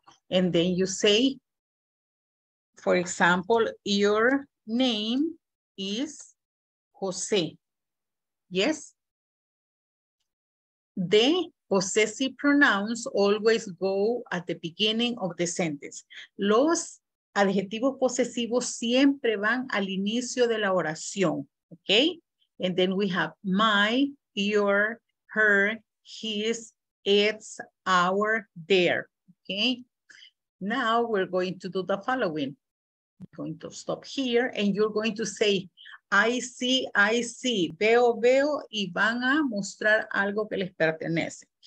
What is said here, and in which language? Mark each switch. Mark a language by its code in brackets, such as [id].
[en] And then you say, for example, your name is Jose. Yes? The possessive pronouns always go at the beginning of the sentence. [es] Los adjetivos posesivos siempre van al inicio de la oración. [en] Okay? And then we have my, your, her, his, its, our, their. Okay? Now we're going to do the following. Going to stop here and you're going to say, I see, [es] veo, veo, y van a mostrar algo que les pertenece.